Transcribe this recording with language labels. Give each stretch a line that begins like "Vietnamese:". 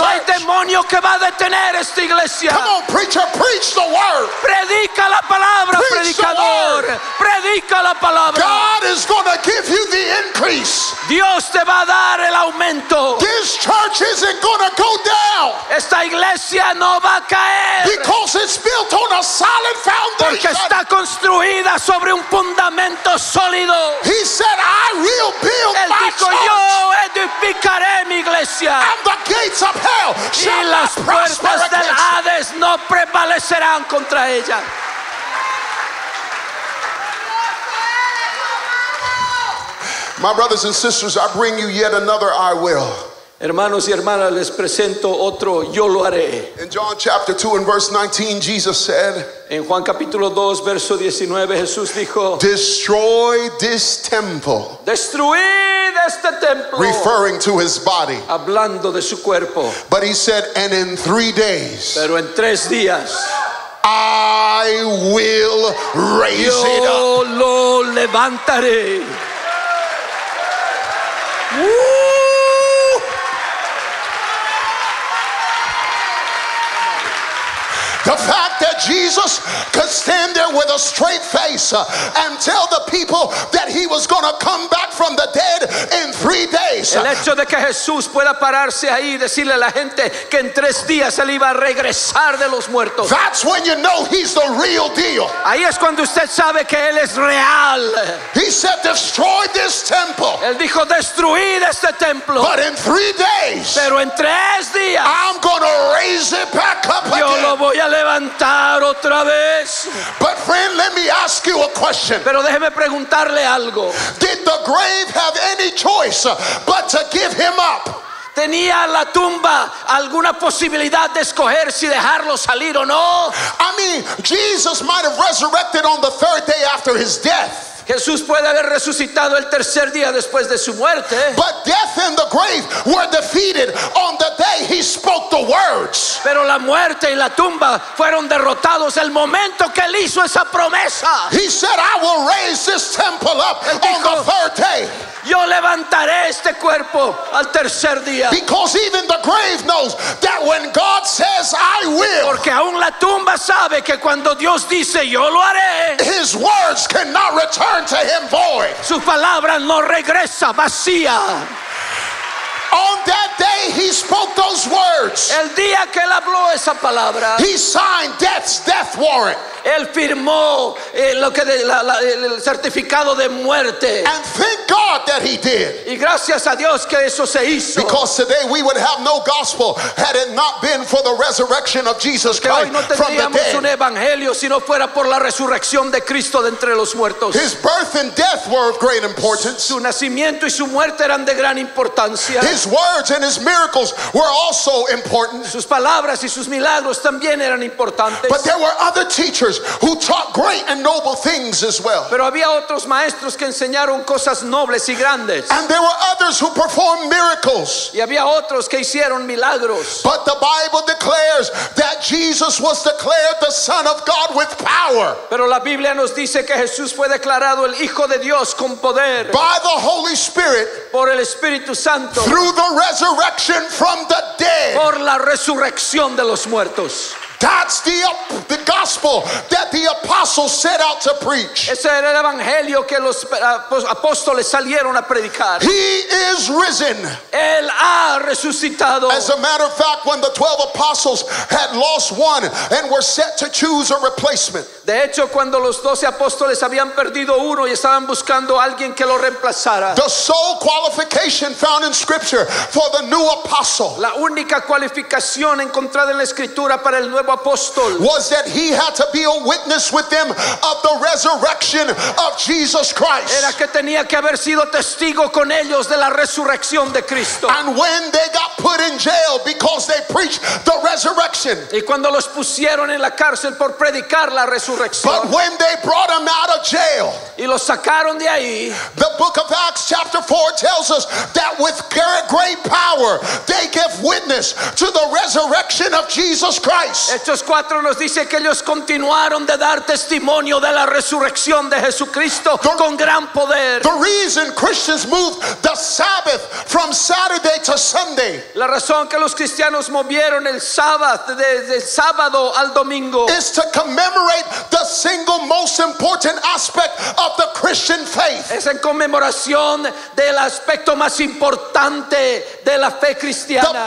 Spanish: No hay demonio que va a detener esta iglesia.
English: Come on, preacher, preach the word.
Spanish: Predica la palabra,
English: preach
Spanish: predicador. Predica la palabra.
English: God is going to give you the increase.
Spanish: Dios te va a dar el aumento.
English: This church isn't going to go down.
Spanish: Esta iglesia no va a caer.
English: Because it's built on a solid foundation.
Spanish: Porque está construida sobre un fundamento sólido.
English: He said, I will build
Spanish: el
English: my
Spanish: dijo,
English: church.
Spanish: Yo edificaré mi iglesia.
English: And the gates of hell shall
Spanish: y las puertas
English: prosper
Spanish: del Hades no prevalecerán contra ella.
English: My brothers and sisters, I bring you yet another I will.
Spanish: Hermanos y hermanas, les presento otro yo lo haré.
English: In John chapter 2 and verse 19, Jesus said,
Spanish: en Juan capítulo 2, verso 19, Jesús dijo,
English: destroy this temple.
Spanish: Destruid este templo.
English: Referring to his body.
Spanish: Hablando de su cuerpo.
English: But he said, and in 3 days.
Spanish: Pero en 3 días.
English: I will raise it up.
Spanish: Yo lo levantaré.
English: The fact that Jesus could stand there with a straight face and tell the people that he was going to come back from the dead in 3 days.
Spanish: El hecho de que Jesús pueda pararse ahí y decirle a la gente que en 3 días él iba a regresar de los muertos.
English: That's when you know he's the real deal.
Spanish: Ahí es cuando usted sabe que él es real.
English: He said, destroy this temple.
Spanish: Él dijo, destruid este templo.
English: But in 3 days.
Spanish: Pero en 3 días.
English: I'm going to raise it back up
Spanish: yo
English: again.
Spanish: Lo voy a levantar otra vez.
English: But friend, let me ask you a question.
Spanish: Pero déjeme preguntarle algo.
English: Did the grave have any choice but to give him up?
Spanish: ¿Tenía la tumba alguna posibilidad de escoger si dejarlo salir o no?
English: I mean, Jesus might have resurrected on the 3rd day after his death.
Spanish: Jesús puede haber resucitado el tercer día después de su muerte.
English: But death and the grave were defeated on the day he spoke the words.
Spanish: Pero la muerte y la tumba fueron derrotados el momento que él hizo esa promesa.
English: He said, I will raise this temple up
Spanish: dijo,
English: on the 3rd day.
Spanish: Yo levantaré este cuerpo al tercer día.
English: Because even the grave knows that when God says, I will.
Spanish: Porque aún la tumba sabe que cuando Dios dice, yo lo haré.
English: His words cannot return. Turn to him void.
Spanish: Su palabra no regresa vacía.
English: On that day he spoke those words.
Spanish: El día que él habló esa palabra.
English: He signed death's death warrant.
Spanish: Él firmó el certificado de muerte.
English: And thank God that he did.
Spanish: Y gracias a Dios que eso se hizo.
English: Because today we would have no gospel had it not been for the resurrection of Jesus Christ
Spanish: no
English: from the dead.
Spanish: Hoy no tendríamos un evangelio si no fuera por la resurrección de Cristo de entre los muertos.
English: His birth and death were of great importance.
Spanish: Su nacimiento y su muerte eran de gran importancia.
English: His words and his miracles. miracles were also important.
Spanish: Sus palabras y sus milagros también eran importantes.
English: But there were other teachers who taught great and noble things as well.
Spanish: Pero había otros maestros que enseñaron cosas nobles y grandes.
English: And there were others who performed miracles.
Spanish: Y había otros que hicieron milagros.
English: But the Bible declares that Jesus was declared the Son of God with power.
Spanish: Pero la Biblia nos dice que Jesús fue declarado el Hijo de Dios con poder.
English: By the Holy Spirit.
Spanish: Por el Espíritu Santo.
English: Through the resurrection from the dead.
Spanish: Por la resurrección de los muertos.
English: That's the gospel that the apostles set out to preach.
Spanish: Ese era el evangelio que los apóstoles salieron a predicar.
English: He is risen.
Spanish: Él ha resucitado.
English: As a matter of fact, when the 12 apostles had lost one and were set to choose a replacement.
Spanish: De hecho, cuando los 12 apóstoles habían perdido uno y estaban buscando alguien que lo reemplazara.
English: The sole qualification found in Scripture for the new apostle.
Spanish: La única cualificación encontrada en la Escritura para el nuevo apóstol.
English: Was that he had to be a witness with them of the resurrection of Jesus Christ.
Spanish: Era que tenía que haber sido testigo con ellos de la resurrección de Cristo.
English: And when they got put in jail because they preached the resurrection.
Spanish: Y cuando los pusieron en la cárcel por predicar la resurrección.
English: But when they brought him out of jail.
Spanish: Y los sacaron de ahí.
English: The book of Acts chapter 4 tells us that with great power they give witness to the resurrection of Jesus Christ.
Spanish: Hechos 4 nos dice que ellos continuaron de dar testimonio de la resurrección de Jesucristo con gran poder.
English: The reason Christians moved the Sabbath from Saturday to Sunday.
Spanish: La razón que los cristianos movieron el sábado desde el sábado al domingo
English: is to commemorate the single most important aspect of the Christian faith.
Spanish: Es en conmemoración del aspecto más importante de la fe cristiana.